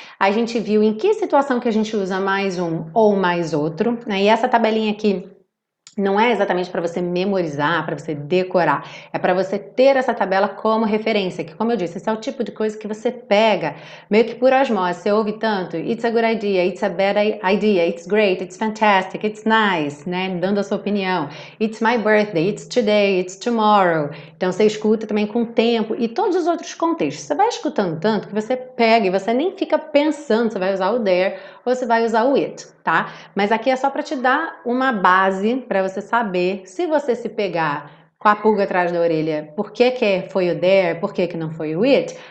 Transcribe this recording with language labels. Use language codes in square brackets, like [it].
[pt] A gente viu em que situação que a gente usa mais um ou mais outro, né? E essa tabelinha aqui Não é exatamente para você memorizar, para você decorar. É para você ter essa tabela como referência. Que, como eu disse, esse é o tipo de coisa que você pega meio que por osmose. Você ouve tanto, [en] it's a good idea, it's a bad idea, it's great, it's fantastic, it's nice, [pt] né? Dando a sua opinião. [en] It's my birthday, it's today, it's tomorrow. [pt] Então você escuta também com o tempo e todos os outros contextos. Você vai escutando tanto que você pega e você nem fica pensando se vai usar o there ou se vai usar o it. Tá? Mas aqui é só para te dar uma base para você saber se você se pegar com a pulga atrás da orelha, por que que foi o there, por que que não foi o it.